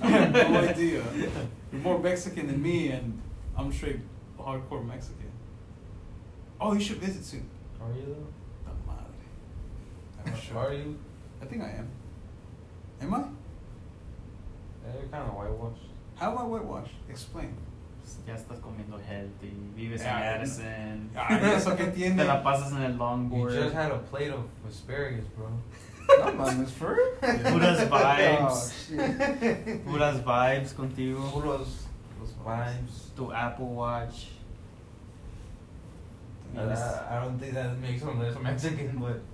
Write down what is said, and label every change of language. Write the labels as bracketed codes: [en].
[en] I have no idea. You're more Mexican than me, and I'm straight hardcore Mexican. Oh, you should visit soon. Are you though? The madre. Are you? I think I am. Am I? Yeah, you're kind of whitewashed. How am I whitewashed? Explain. [es] Ya estás comiendo [en] healthy. [es] Vives en Madison. Eso que tiene. Te la pasas en el longboard. [en] You just had a plate of asparagus, bro. Mames, for real? [es] Puras vibes. Oh, puras vibes contigo. Puros vibes. Tu Apple Watch. [en] I don't think that makes him less Mexican, but...